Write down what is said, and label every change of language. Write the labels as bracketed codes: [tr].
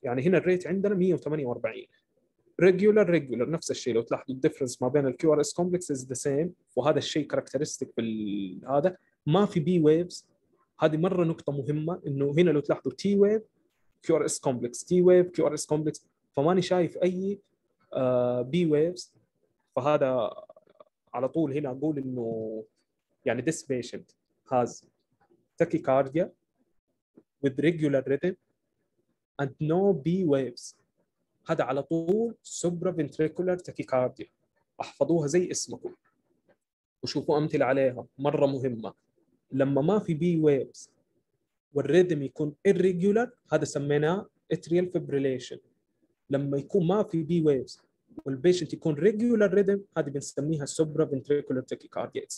[ar] يعني هنا الريت عندنا 148 ريجولر، ريجولر نفس الشيء لو تلاحظوا، الديفرنس ما بين الكيو ار اس كومبلكس از ذا سيم، وهذا الشيء كاركترستيك بالهذا. ما في بي ويفز، هذه مره نقطه مهمه، انه هنا لو تلاحظوا تي ويف كيو ار اس كومبلكس، تي ويف كيو ار اس كومبلكس، فماني شايف اي بي ويفز. فهذا على طول هنا اقول انه يعني [en] this patient has tachycardia with regular rhythm and no B waves، [ar] هذا على طول [en] supraventricular tachycardia. [ar] احفظوها زي اسمكم وشوفوا أمثلة عليها مرة مهمة. لما ما في B waves والريذم يكون irregular، هذا سميناه atrial fibrillation. لما يكون ما في B waves والبيشنت يكون regular rhythm، هذه بنسميها supraventricular tachycardia.